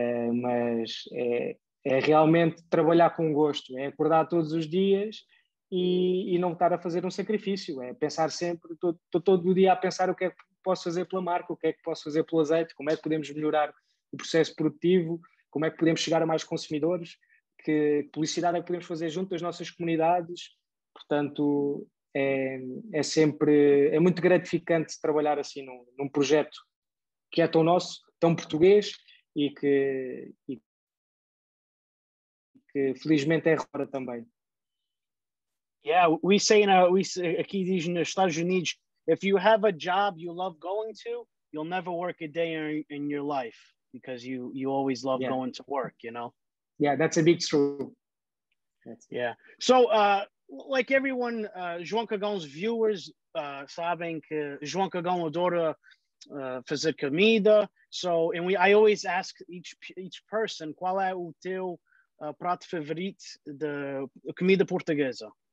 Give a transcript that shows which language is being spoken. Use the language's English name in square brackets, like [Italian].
[Portuguese] Mas é realmente trabalhar com gosto, é acordar todos os dias e não estar a fazer um sacrifício, é pensar sempre, estou todo o dia a pensar o que é que posso fazer pela marca, o que é que posso fazer pelo azeite, como é que podemos melhorar o processo produtivo, como é que podemos chegar a mais consumidores, que publicidade é que podemos fazer junto às nossas comunidades. Portanto, é sempre muito gratificante trabalhar assim num projeto que é tão nosso, tão português, e que felizmente é agora também. [English] Yeah, we say in our, [Portuguese] aqui diz nos Estados Unidos, [English] if you have a job you love going to, you'll never work a day in your life, because you always love going to work, you know? Yeah, that's a big truth. Yeah. So, like everyone, [Portuguese] João Cagão's viewers sabem que João Cagão adora fazer comida. [English] So, and I always ask each person, [Portuguese] qual é o teu prato favorito de comida portuguesa?